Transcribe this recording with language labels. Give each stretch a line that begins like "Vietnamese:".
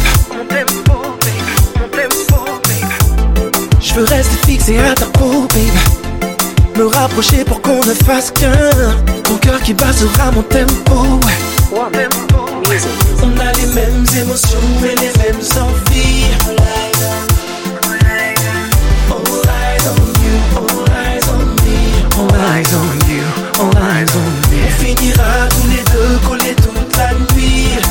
French: Mon tempo, babe. Mon tempo, babe. Je veux rester fixé à ta peau, babe. Me rapprocher pour qu'on ne fasse qu'un. Ton cœur qui bat sera mon tempo, ouais. On a les mêmes émotions et les mêmes envies.
English: All eyes on you, all eyes on me. All eyes on you, all eyes on me.
French: On finira tous les deux collés toute la nuit.